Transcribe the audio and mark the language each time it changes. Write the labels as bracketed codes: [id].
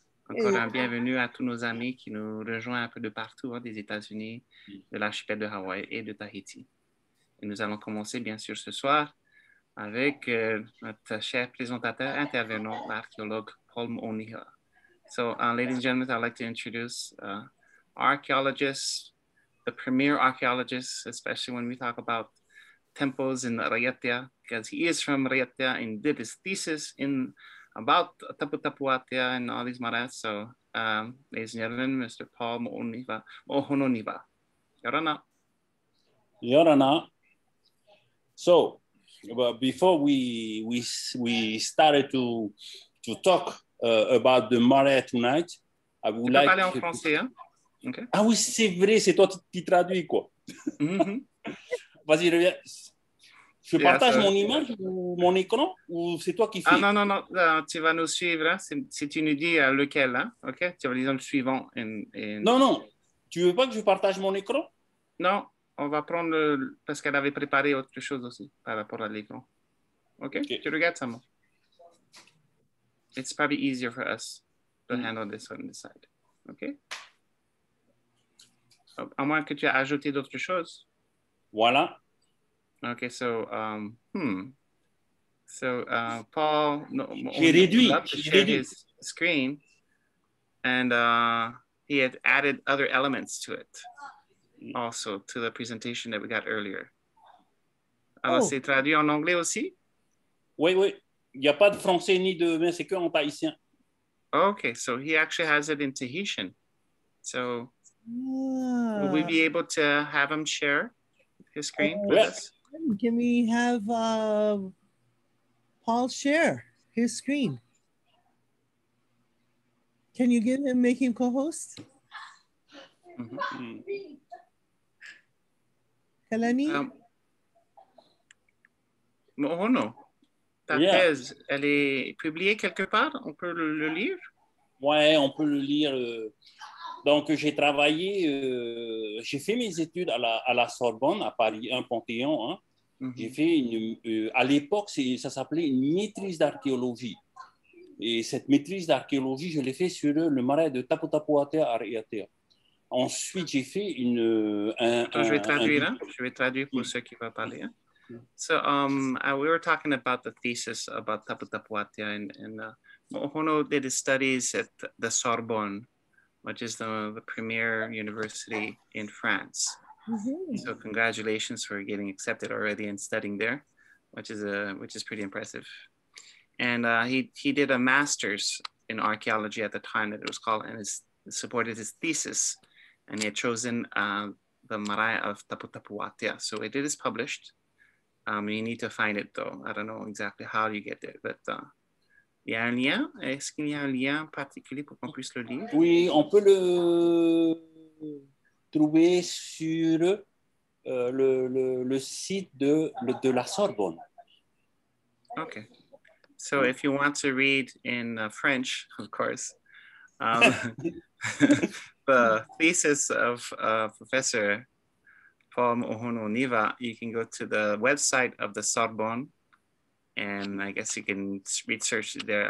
[fr] Encore un bienvenue à tous nos amis qui nous rejoignent un peu de partout, hein, des États-Unis, de l'archipel de Hawaï et de Tahiti. Et nous allons commencer, bien sûr, ce soir avec notre cher présentateur intervenant, l'archéologue Paul Moʻohono. [en] So, ladies and gentlemen, I'd like to introduce archaeologists, the premier archaeologist, especially when we talk about temples in Raʻiātea, because he is from Raʻiātea and did his thesis in about Taputapuātea and all these marats. So, ladies and gentlemen, Mr. Paul Moʻohono Niva. Yorana. [ty] Yorana. [en] So, but before we started to talk about the marat tonight, I would like [fr] to... parler en français, hein? Okay. Ah oui, c'est vrai, c'est toi qui traduis, quoi. Mm-hmm. Vas-y, reviens. Je partage mon image ou mon écran ou c'est toi qui fais? Ah non, tu vas nous suivre, hein, si tu nous dis lequel, hein, ok? Tu vas dire le suivant. Non, tu veux pas que je partage mon écran? Non, on va prendre, parce qu'elle avait préparé autre chose aussi par rapport à l'écran. Okay? Ok, tu regardes ça, moi. [en] It's probably easier for us to handle this on the side, ok? [fr] À moins que tu aies ajouté d'autres choses. Voilà. [en] Okay, so Paul, no, he reduced his screen, and he had added other elements to it, also to the presentation that we got earlier. [fr] Alors, c'est traduit en anglais aussi? Oui. Il y a pas de français ni de mais c'est que en tahitien. [en] Okay, so he actually has it in Tahitian. So, yeah. Will we be able to have him share his screen? Yes. Can we have Paul share his screen? Can you give him, make him co-host? Kalani? [fr] Moʻohono, ta yeah. thèse, elle est publiée quelque part? On peut le lire? Ouais, on peut le lire. Donc, j'ai travaillé, j'ai fait mes études à la Sorbonne, à Paris 1 Panthéon. Hein. Mm-hmm. J'ai fait, à l'époque, ça s'appelait une maîtrise d'archéologie. Et cette maîtrise d'archéologie, je l'ai fait sur le marais de Taputapuātea à Raʻiātea. Ensuite, j'ai fait une... Je vais traduire, je vais traduire pour ceux qui veulent parler. Hein. [en] So, we were talking about the thesis about Taputapuātea, and Moʻohono did his studies at the Sorbonne, which is the premier university in France. Mm-hmm. So congratulations for getting accepted already and studying there, which is pretty impressive. And he did a master's in archaeology at the time that it was called, and it supported his thesis. And he had chosen the Marae of Taputapuātea. So it is published. You need to find it, though. I don't know exactly how you get it, but [fr] il y a un lien? Est-ce qu'il y a un lien particulier pour qu'on puisse le lire? Oui, on peut le trouver sur le site de la Sorbonne. [en] OK. So if you want to read in French, of course, the thesis of Professor Paul Moʻohono Niva, you can go to the website of the Sorbonne, and I guess you can research there.